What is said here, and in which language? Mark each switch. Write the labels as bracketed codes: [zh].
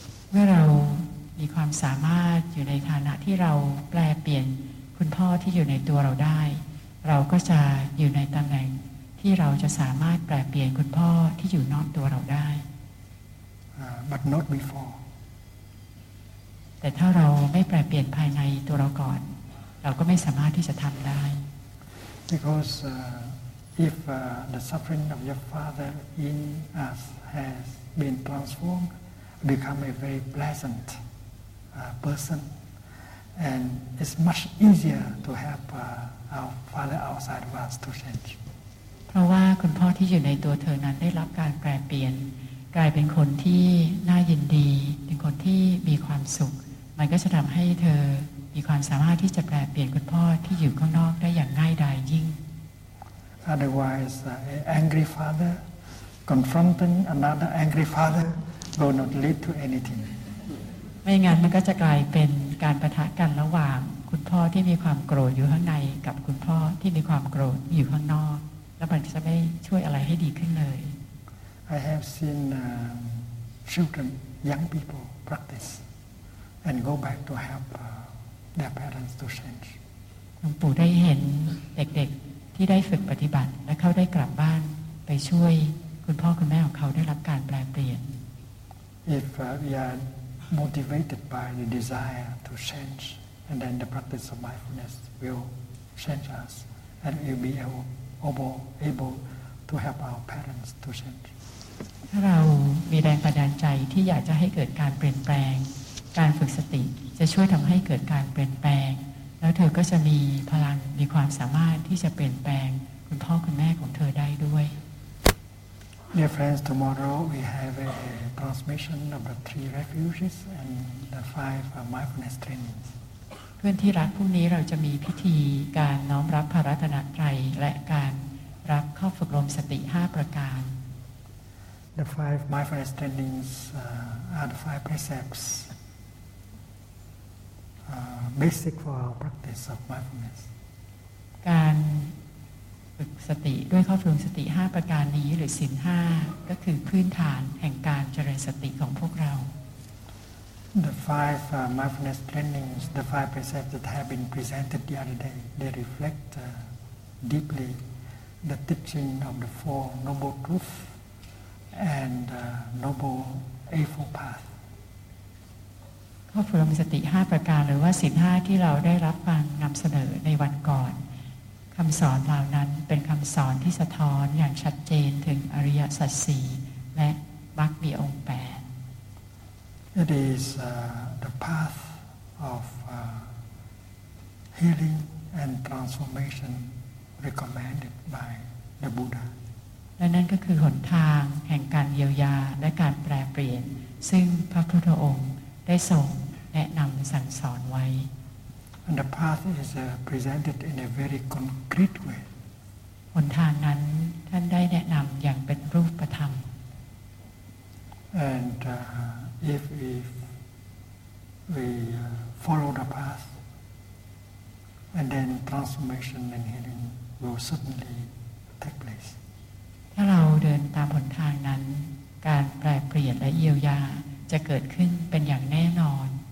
[th] เมื่อเรามีความสามารถอยู่ในฐานะที่เราแปลเปลี่ยนคุณพ่อที่อยู่ในตัวเราได้เราก็จะอยู่ในตำแหน่งที่เราจะสามารถแปลเปลี่ยนคุณพ่อที่อยู่นอกตัวเราได้ [en] but not before [th] แต่ถ้าเราไม่แปลเปลี่ยนภายในตัวเราก่อนเราก็ไม่สามารถที่จะทำได้ [en] because if the suffering of your father in us has been transformedbecome a very pleasant person and it's much easier to help our father outside of us to change [th] เพราะว่าคุณพ่อที่อยู่ในตัวเธอนั้นได้รับการแปรเปลี่ยนกลายเป็นคนที่น่ายินดีเป็นคนที่มีความสุขมันก็จะทำให้เธอมีความสามารถที่จะแปรเปลี่ยนคุณพ่อที่อยู่ข้างนอกได้อย่างง่ายดายยิ่ง [en] otherwise an angry father confronting another angry fatherwill not lead to anything [th] ไม่งั้นมันก็จะกลายเป็นการปะทะกันระหว่างคุณพ่อที่มีความโกรธอยู่ข้างในกับคุณพ่อที่มีความโกรธอยู่ข้างนอกแล้วมันจะไม่ช่วยอะไรให้ดีขึ้นเลย [en] I have seen children young people practice and go back to help their parents to change [th] หลวงปู่ได้เห็นเด็กๆที่ได้ฝึกปฏิบัติและเขาได้กลับบ้านไปช่วยคุณพ่อคุณแม่ของเขาได้รับการแปลเปลี่ยน [en] If we are motivated by the desire to change, and then the practice of mindfulness will change us, and we'll be able to help our parents to change. [th] ถ้าเรามีแรงบันดาลใจที่อยากจะให้เกิดการเปลี่ยนแปลงการฝึกสติจะช่วยทำให้เกิดการเปลี่ยนแปลงแล้วเธอก็จะมีพลังมีความสามารถที่จะเปลี่ยนแปลงคุณพ่อคุณแม่ของเธอได้ด้วย [en] Dear friends, tomorrow we have a transmission of the three refuges and the five mindfulness trainings. [th] เพื่อนที่รักพรุ่งนี้เราจะมีพิธีการน้อมรับพระรัตนตรัยและการรับข้อฝึกอบรมสติ5ประการ [en] The five mindfulness trainings are the five precepts basic for our practice of mindfulness. [th] การฝึกสติด้วยข้อฝึกสติ5ประการนี้หรือศีล5ก็คือพื้นฐานแห่งการเจริญสติของพวกเรา [en] The five mindfulness trainings the five precepts that have been presented the other day they reflect deeply the teaching of the four noble truths and noble eightfold path [th] ข้อฝึกสติ5ประการหรือว่าศีล5ที่เราได้รับฟังนำเสนอในวันก่อนคำสอนเหล่านั้นเป็นคำสอนที่สะท้อนอย่างชัดเจนถึงอริยสัจ4และมรรคมีองค์8 [en] It is the path of healing and transformation recommended by the Buddha [th] และนั่นก็คือหนทางแห่งการเยียวยาและการแปลเปลี่ยนซึ่งพระพุทธองค์ได้ทรงแนะนำสั่งสอนไว้ [en] And the path is presented in a very concrete way. [th] หนทางนั้นท่านได้แนะนำอย่างเป็นรูปธรรม [en] And if we follow the path, and then transformation and healing will certainly take place. [th] ถ้าเราเดินตามหนทางนั้นการแปรเปลี่ยนและเยียวยาจะเกิดขึ้นเป็นอย่างแน่นอน